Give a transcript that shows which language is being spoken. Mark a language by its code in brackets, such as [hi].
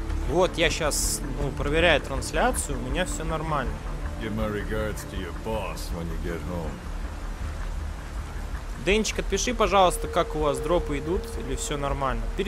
[ru] Вот, я сейчас, ну, проверяю трансляцию, у меня все нормально. [en] Give my regards to your boss when you get home. [ru] Денчик, отпиши, пожалуйста, как у вас дропы идут, или все нормально.